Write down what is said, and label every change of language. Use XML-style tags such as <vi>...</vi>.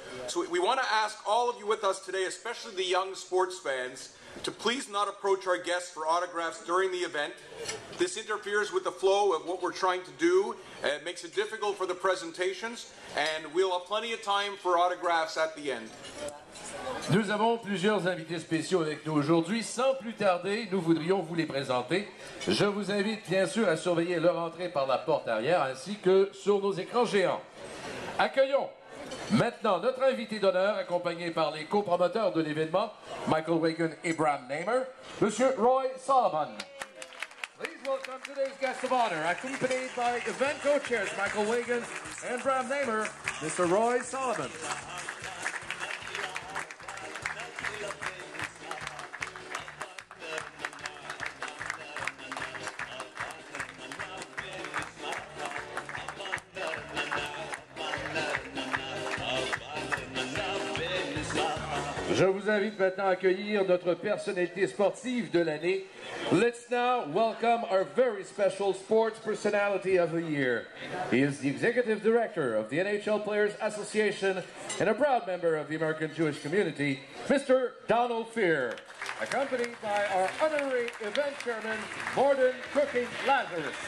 <en>So we want to ask all of you with us today, especially the young sports fans, to please not approach our guests for autographs during the event. This interferes with the flow of what we're trying to do, and it makes it difficult for the presentations, and we'll have plenty of time for autographs at the end.</en> <fr>Nous avons plusieurs invités spéciaux avec nous aujourd'hui. Sans plus tarder, nous voudrions vous les présenter. Je vous invite bien sûr à surveiller leur entrée par la porte arrière ainsi que sur nos écrans géants. Accueillons maintenant notre invité d'honneur accompagné par les copromoteurs de l'événement, Michael Wagon et Bram Namer, Monsieur Roy Solomon.</fr> <en>Please welcome today's guest of honor, accompanied by event co-chairs Michael Wagon and Bram Namer, Mr. Roy Solomon.</en> <fr>Je vous invite maintenant à accueillir notre personnalité sportive de l'année.</fr> <en>Let's now welcome our very special sports personality of the year. He is the executive director of the NHL Players Association and a proud member of the American Jewish community, Mr. Donald Fehr, accompanied by our honorary event chairman, Morden Cooking Lazarus.</en>